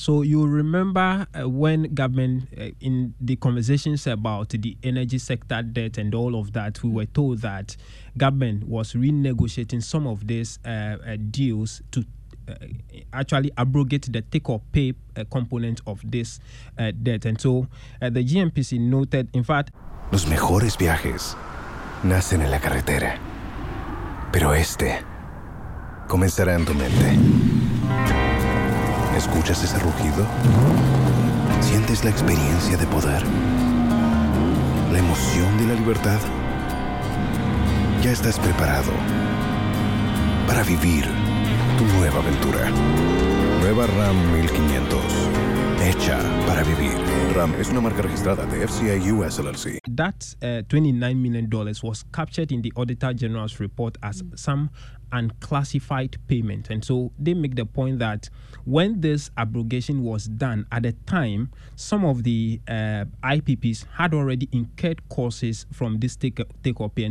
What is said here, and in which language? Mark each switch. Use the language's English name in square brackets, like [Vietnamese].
[English] So you remember when government, in the conversations about the energy sector debt and all of that, we were told that government was renegotiating some of these deals to actually abrogate the take-or-pay component of this debt. And so the GMPC noted, in fact... [Spanish] Los mejores viajes nacen en la carretera, pero este comenzará en tu mente. ¿Escuchas ese rugido? ¿Sientes la experiencia de poder? ¿La emoción de la libertad? Ya estás preparado para vivir tu nueva aventura. Nueva Ram 1500. Hecha para vivir. Ram es una marca registrada de FCA US LLC. [English] That $29 million was captured in the Auditor General's report as some unclassified payment. And so they make the point that when this abrogation was done, at the time, some of the IPPs had already incurred costs from this take-or-pay.